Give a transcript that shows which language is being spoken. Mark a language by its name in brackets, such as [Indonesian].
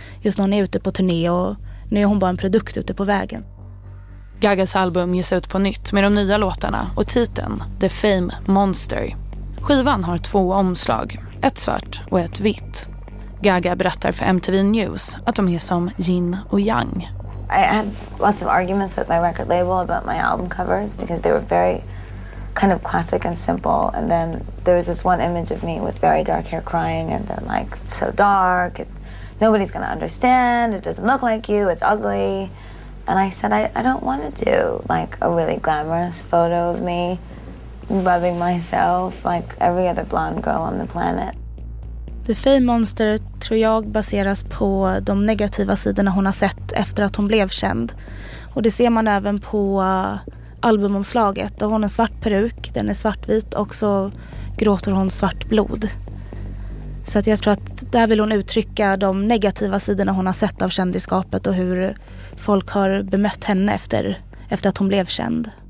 [Swedish] Just när hon är ute på turné och nu är hon bara en produkt ute på vägen. Gagas album ges ut på nytt med de nya låtarna och titeln The Fame Monster. Skivan har 2 omslag, ett svart och ett vitt. Gaga berättar för MTV News att de är som yin och yang. [English] I had lots of arguments with my record label about my album covers because they were very kind of classic and simple, and then there was this one image of me with very dark hair crying, and they're like, it's so dark, nobody's gonna understand, it doesn't look like you, it's ugly. And I said, I don't want to do like a really glamorous photo of me rubbing myself like every other blonde girl on the planet. [Swedish] The Fame Monster tror jag baseras på de negativa sidorna hon har sett efter att hon blev känd. Och det ser man även på albumomslaget. Där hon har en svart peruk, den är svartvit, och så gråter hon svart blod. Så att jag tror att där vill hon uttrycka de negativa sidorna hon har sett av kändiskapet och hur folk har bemött henne efter att hon blev känd.